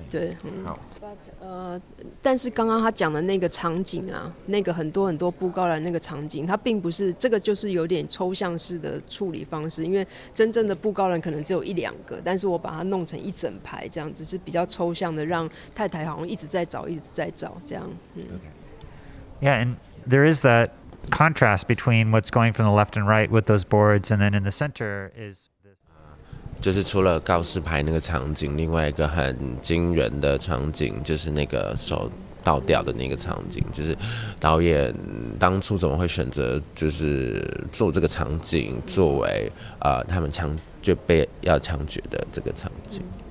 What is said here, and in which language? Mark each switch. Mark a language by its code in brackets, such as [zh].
[zh] 对，但是刚刚他讲的那个场景啊，那个很多很多布告栏那个场景，他并不是这个，就是有点抽象式的处理方式，因为真正的布告栏可能只有一两个，但是我把它弄成一整排这样子，是比较抽象的，让太太好像一直在找，一直在找这样。 [en] Yeah, and there is that contrast between what's going from the left and right with those boards, and then in the center is. [zh] 就是除了告示牌那个场景，另外一个很惊人的场景就是那个手倒掉的那个场景，就是导演当初怎么会选择就是做这个场景作为他们枪就被要枪决的这个场景。